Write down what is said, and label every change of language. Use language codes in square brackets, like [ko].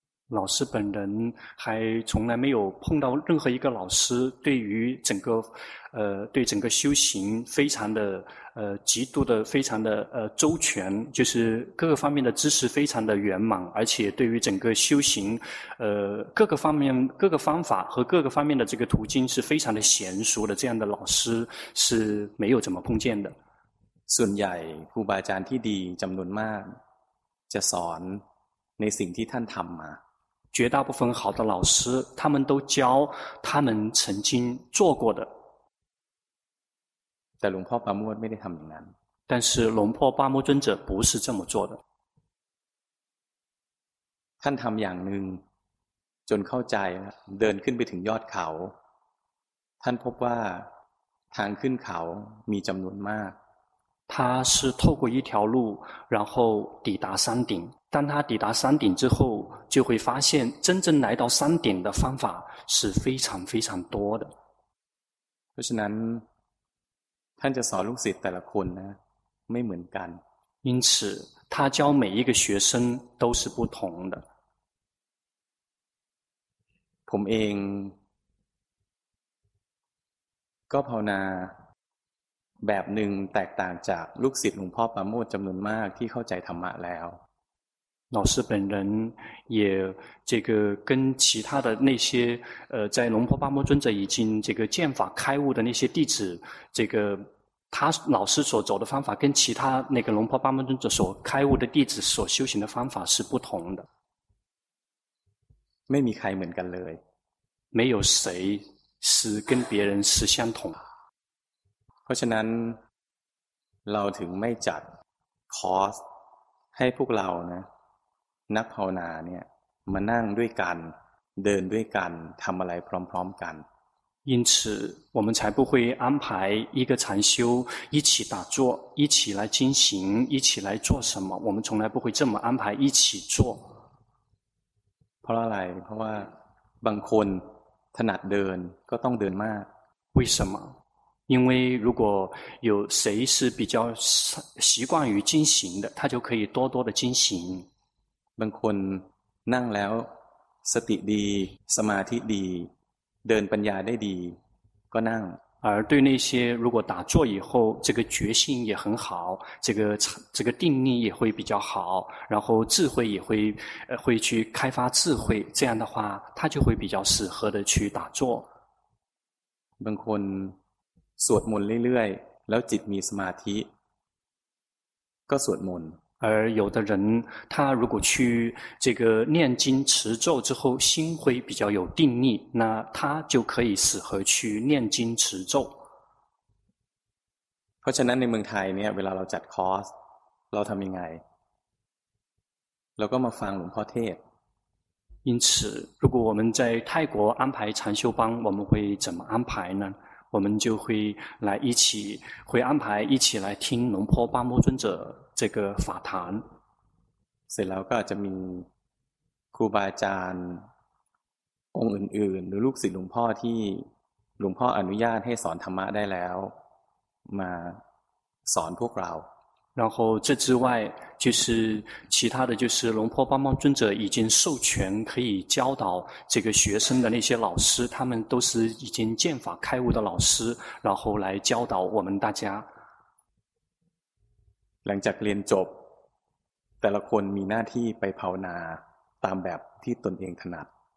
[zh] 老师本人还从来没有碰到任何一个老师对于整个对整个修行非常的极度的非常的周全，就是各个方面的知识非常的圆满，而且对于整个修行各个方面各个方法和各个方面的这个途径是非常的娴熟的，这样的老师是没有怎么碰见的。 [th] ส่วนใหญ่ครูบาอาจารย์ที่ดีจำนวนมากจะสอนในสิ่งที่ท่านทำมา [zh] 绝大部分好的老师他们都教他们曾经做过的， [th] แต่หลวงพ่อปาโมทย์ไม่ได้ทำอย่างนั้น [zh] 但是龙破八摩尊者不是这么做的， [th] ท่านทำอย่างหนึ่งจนเข้าใจเดินขึ้นไปถึงยอดเขาท่านพบว่าทางขึ้นเขามีจำนวนมาก [zh] 他是透过一条路然后抵达山顶，当他抵达山顶之后就会发现真正来到山顶的方法是非常非常多的。 [th] เพราะฉะนั้นท่านจะสอนลูกศิษย์แต่ละคนนะไม่เหมือนกัน [zh] 因此他教每一个学生都是不同的。 [th] ผมเองก็ภาวนาแบบหนึ่งแตกต่างจากลูกศิษย์หลวงพ่อปราโมทย์จำนวนมากที่เข้าใจธรรมะแล้ว [zh] 老师本人也这个跟其他的那些在龙婆巴摩尊者已经这个见法开悟的那些弟子，这个他老师所走的方法跟其他那个龙婆巴摩尊者所开悟的弟子所修行的方法是不同的。 [th] ไม่มีใครเหมือนกันเลย [zh] 没有谁是跟别人是相同的。 [th] เพราะฉะนั้นเราถึงไม่จัดคอร์สให้พวกเรานะนักภาวนาเนี่ยมานั่งด้วยกันเดินด้วยกันทำอะไรพร้อมๆกัน [zh] 因此我们才不会安排一个禅修一起打坐一起来进行一起来做什么我们从来不会这么安排一起做 [th] เพราะอะไรเพราะว่าบางคนถนัดเดินก็ต้องเดินมาก [zh] 为什么因为如果有谁是比较习惯于进行的他就可以多多的进行 [th] บางคนนั่งแล้วสติดีสมาธิดีเดินปัญญาได้ดีก็นั่ง [zh] 而对那些如果打坐以后这个决心也很好这个定力也会比较好然后智慧也会会去开发智慧这样的话他就会比较适合的去打坐 [th] บางคนสวดมนต์เรื่อยๆแล้วจิตมีสมาธิก็สวดมนต์ [zh] 而有的人他如果去这个念经持咒之后心会比较有定力那他就可以适合去念经持咒 [th] เพราะฉะนั้นในเมืองไทยเนี่ยเวลาเราจัดคอร์สเราทำยังไงเราก็มาฟังหลวงพ่อเทศ [zh] 因此如果我们在泰国安排禅修班我们会怎么安排呢我们就会来一起会安排一起来听龙婆巴摩尊者这个法谈 [th] เสร็จแล้วก็จะมีครูบาอาจารย์องค์อื่นๆหรือลูกศิษย์หลวงพ่อที่หลวงพ่ออนุญาตให้สอนธรรมะได้แล้วมาสอนพวกเรา [zh] 然后这之外就是其他的就是龙婆巴摩尊者已经授权可以教导这个学生的那些老师他们都是已经见法开悟的老师然后来教导我们大家 [th] หลังจากเรียนจบแต่ละคนมีหน้าที่ไปภาวนาตามแบบที่ตนเองถนัด